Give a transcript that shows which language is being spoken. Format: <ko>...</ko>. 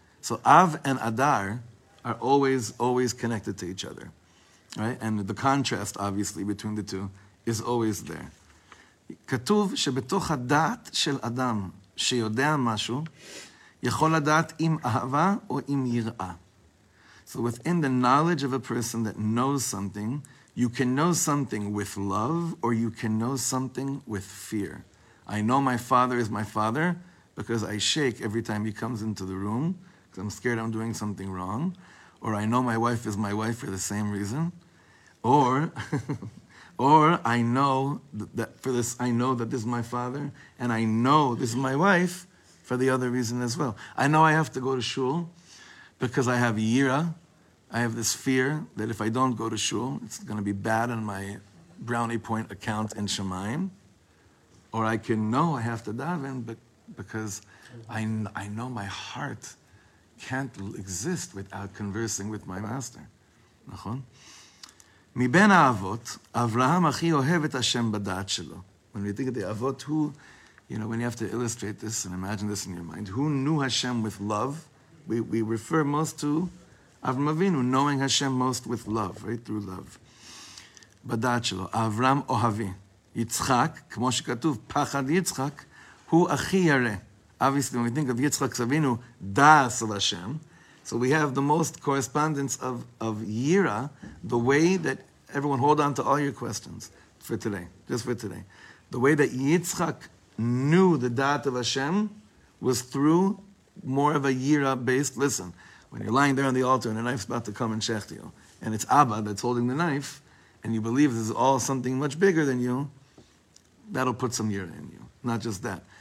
<en>So אב and אדר are always connected to each other, right? And the contrast obviously between the two is always there.</en> <he>כתוב שבתוך הדעת של אדם שיודע משהו, יכול לדעת אם אהבה או אם יראה.</he> <en>So within the knowledge of a person that knows something, you can know something with love or you can know something with fear. I know my father is my father because I shake every time he comes into the room because I'm scared I'm doing something wrong. Or I know my wife is my wife for the same reason. Or... Or I know that this is my father, and I know this is my wife for the other reason as well. I know I have to go to shul because I have yira. I have this fear that if I don't go to shul, it's going to be bad on my brownie point account in Shemaim. Or I can know I have to daven because I know my heart can't exist without conversing with my master. Nachon?</en> <he>מבין האבות, אברהם הכי אוהב את השם בדעת שלו.</he> <en>When we think of the אבות, who, you know, when you have to illustrate this and imagine this in your mind, who knew Hashem with love? We refer most to Avram Avinu, knowing Hashem most with love, right? Through love.</en> <he>בדעת שלו, אברהם אוהבי. יצחק, כמו שכתוב, פחד יצחק, הוא הכי ירא.</he> <en>Obviously, when we think of יצחק סבינו, דעס על השם, so we have the most correspondence of Yira, the way that, everyone hold on to all your questions for today, just for today. The way that Yitzchak knew the Da'at of Hashem was through more of a Yira-based, listen, when you're lying there on the altar and a knife's about to come and shecht you, and it's Abba that's holding the knife, and you believe this is all something much bigger than you, that'll put some Yira in you. Not just that.</en>